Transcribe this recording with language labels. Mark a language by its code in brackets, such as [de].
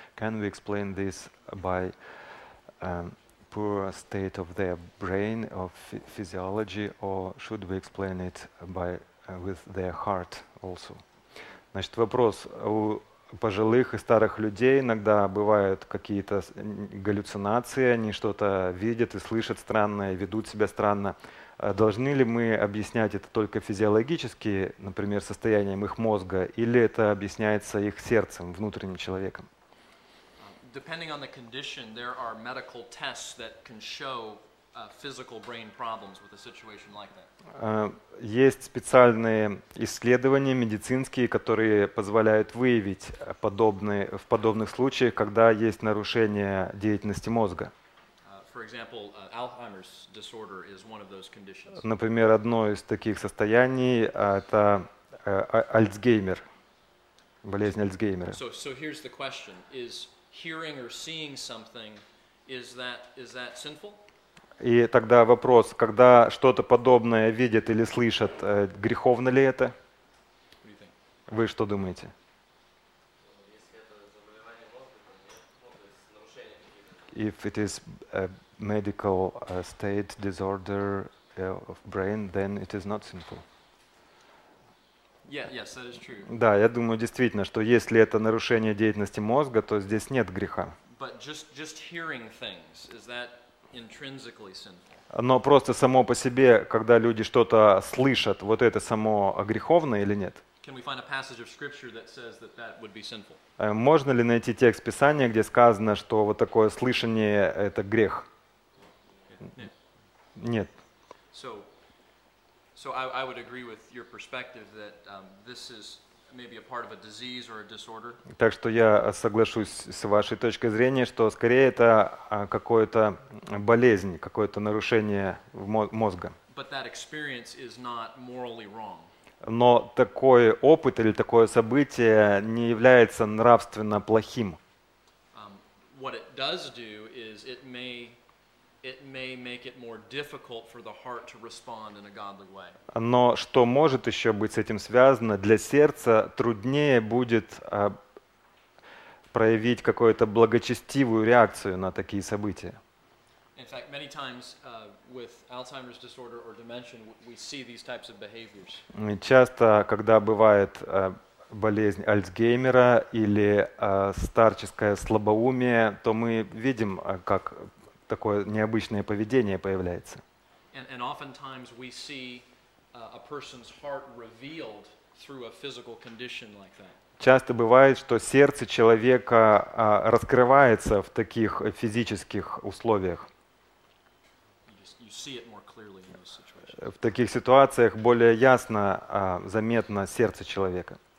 [en] Can we explain this by poor state of their brain or physiology, or should we explain it by with their heart also? [ru] Значит, вопрос. пожилых и старых людей иногда бывают какие-то галлюцинации, они что-то видят и слышат странное, ведут себя странно. Должны ли мы объяснять это только физиологически, например, состоянием их мозга, или это объясняется их сердцем, внутренним человеком? [en] Depending on the condition, there are medical tests that can show physical brain problems with a situation like that. [ru] Есть специальные исследования медицинские, которые позволяют выявить в подобных случаях, когда есть нарушение деятельности мозга. [en] For example, Alzheimer's disorder is one of those conditions. [ru] Например, одно из таких состояний это Альцгеймер. Болезнь Альцгеймера. [en] So here's the question: is hearing or seeing something, is that sinful? [ru] И тогда вопрос, когда что-то подобное видят или слышат, греховно ли это? Вы что думаете? [en] If it is a medical state disorder of brain, then it is not sinful. Yeah, yes, that is true. [ru] Да, я думаю действительно, что если это нарушение деятельности мозга, то здесь нет греха. [en] But just hearing things, is that intrinsically sinful? [ru] Но просто само по себе, когда люди что-то слышат, вот это само греховно или нет? [en] Can we find a passage of scripture that says that that would be sinful? [ru] Можно ли найти текст Писания, где сказано, что вот такое слышание — это грех? Нет. Нет. [en] So I would agree with your perspective that this is maybe a part of a disease or a disorder. [ru] Так что я соглашусь с вашей точкой зрения, что скорее это какое-то болезнь, какое-то нарушение мозга. [en] But that experience is not morally wrong. [ru] Но такой опыт или такое событие не является нравственно плохим. [en] What it does do is it may make it more difficult for the heart to respond in a godly way. [ru] Но что может еще быть с этим связано? Для сердца труднее будет проявить какую-то благочестивую реакцию на такие события. [en] In fact, many times with Alzheimer's disorder or dementia, we see these types of behaviors. [ru] Часто, когда бывает болезнь Альцгеймера или старческое слабоумие, то мы видим, как такое необычное поведение появляется. [en] And oftentimes we see a person's heart revealed through a physical condition like that. [ru] Часто бывает, что сердце человека раскрывается в таких физических условиях. [en] You see it more clearly in those situations. [ru] В таких ситуациях более ясно заметно сердце человека.